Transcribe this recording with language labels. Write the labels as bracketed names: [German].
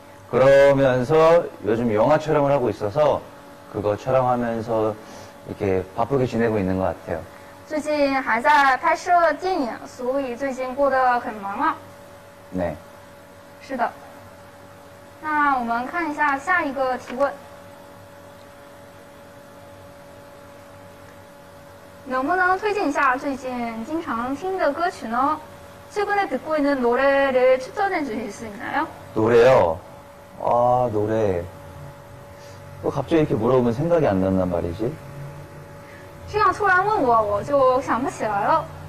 [Korean] 그러면서 요즘 영화 촬영을 하고 있어서 그거 촬영하면서 이렇게 바쁘게 지내고 있는 것 같아요. [Chinese] 最近还在拍摄电影，所以最近过得很忙啊。 [Korean] 네. [Chinese] 是的。那我们看一下下一个提问。能不能推荐一下最近经常听的歌曲呢？ [Korean] 최근에 듣고 있는 노래를 추천해 주실 수 있나요? 노래요? 노래. 또 갑자기 이렇게 물어보면 생각이 안 난단 말이지? [Chinese] 这样突然问我，我就想不起来了。